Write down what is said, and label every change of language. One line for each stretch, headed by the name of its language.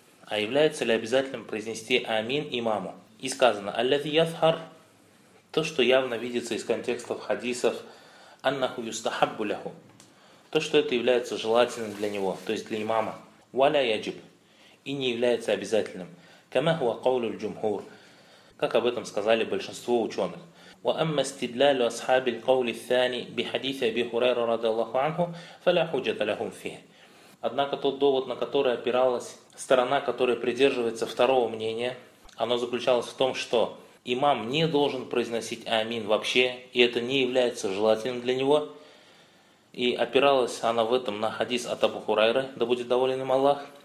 Russian: А является ли обязательным произнести «Амин» имаму? И сказано
Arabic: «Аллязи язхар»
Russian: то, что явно видится из контекстов хадисов
Arabic: «Аннаху юстахаббу ляху»
Russian: то, что это является желательным для него, то есть для имама.
Arabic: «Валя яджиб»
Russian: и не является обязательным.
Arabic: «Кама хуа каулю аль-джумхур»
Russian: как об этом сказали большинство ученых.
Arabic: وأما استدلال أصحاب القول الثاني بحديث أبي هريرة رضي الله عنه فلا حجة لهم فيه.
Russian: Однако тот довод, на который опиралась сторона, которая придерживается второго мнения, оно заключалось в том, что имам не должен произносить «Амин» вообще, и это не является желательным для него. И опиралась она в этом на хадис от Абу Хурайры, да будет доволен им Аллах.